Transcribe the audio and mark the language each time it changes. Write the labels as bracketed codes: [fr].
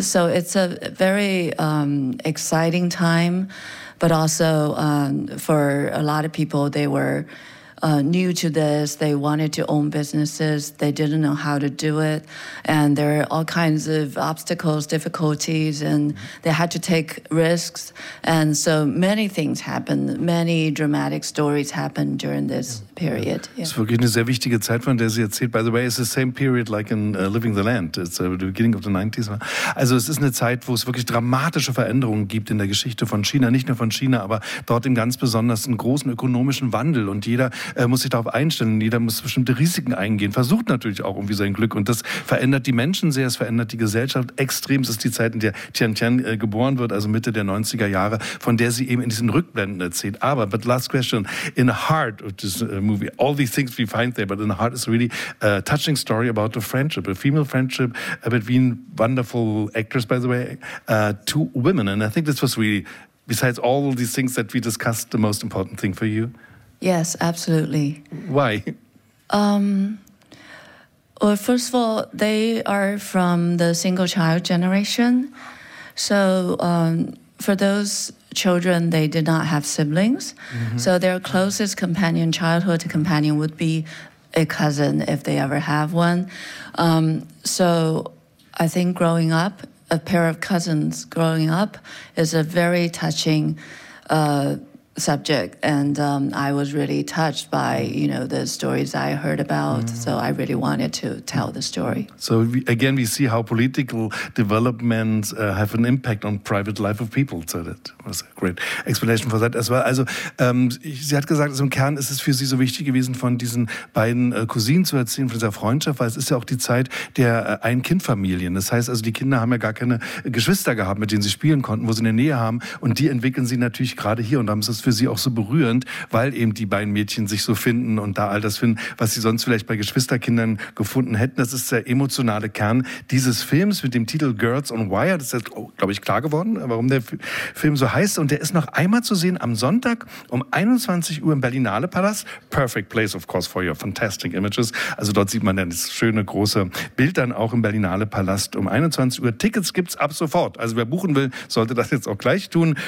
[en] So it's a very exciting time, but also for a lot of people, they were new to this, they wanted to own businesses, they didn't know how to do it, and there are all kinds of obstacles, difficulties, and they had to take risks, and so many things happened, many dramatic stories happened during this period. Yeah. It's [de] wirklich eine sehr wichtige Zeit, von der sie erzählt. [en] By the way, it's the same period like in Living the Land, it's the beginning of the 90s. [de] Also es ist eine Zeit, wo es wirklich dramatische Veränderungen gibt in der Geschichte von China, nicht nur von China, aber dort im ganz besonders einen großen ökonomischen Wandel, und jeder muss sich darauf einstellen, jeder muss bestimmte Risiken eingehen, versucht natürlich auch irgendwie sein Glück, und das verändert die Menschen sehr, es verändert die Gesellschaft extrem. Es ist die Zeit, in der Tian Tian geboren wird, also Mitte der 90er Jahre, von der sie eben in diesen Rückblenden erzählt. [en] Aber, but last question, in the heart of this movie, all these things we find there, but in the heart is really a touching story about a friendship, a female friendship between wonderful actors, by the way, two women, and I think this was really, besides all these things that we discussed, the most important thing for you. Yes, absolutely. Why? Well, first of all, they are from the single child generation. So for those children, they did not have siblings. Mm-hmm. So their closest companion, childhood companion, would be a cousin if they ever have one. So I think growing up, a pair of cousins growing up is a very touching subject, and I was really touched by, you know, the stories I heard about. Mm. So I really wanted to tell the story. So again, we see how political developments have an impact on private life of people. So that was a great explanation for that as well. [de] Also, sie hat gesagt, also im Kern ist es für sie so wichtig gewesen, von diesen beiden Cousinen zu erzählen, von dieser Freundschaft, weil es ist ja auch die Zeit der Ein-Kind-Familien. Das heißt also, die Kinder haben ja gar keine Geschwister gehabt, mit denen sie spielen konnten, wo sie eine Nähe haben, und die entwickeln sie natürlich gerade hier, und da ist für sie auch so berührend, weil eben die beiden Mädchen sich so finden und da all das finden, was sie sonst vielleicht bei Geschwisterkindern gefunden hätten. Das ist der emotionale Kern dieses Films mit dem Titel Girls on Wire. Das ist, glaube ich, klar geworden, warum der Film so heißt. Und der ist noch einmal zu sehen am Sonntag um 21 Uhr im Berlinale Palast. [en] Perfect place, of course, for your fantastic images. [de] Also dort sieht man dann das schöne, große Bild dann auch im Berlinale Palast um 21 Uhr. Tickets gibt's ab sofort. Also wer buchen will, sollte das jetzt auch gleich tun.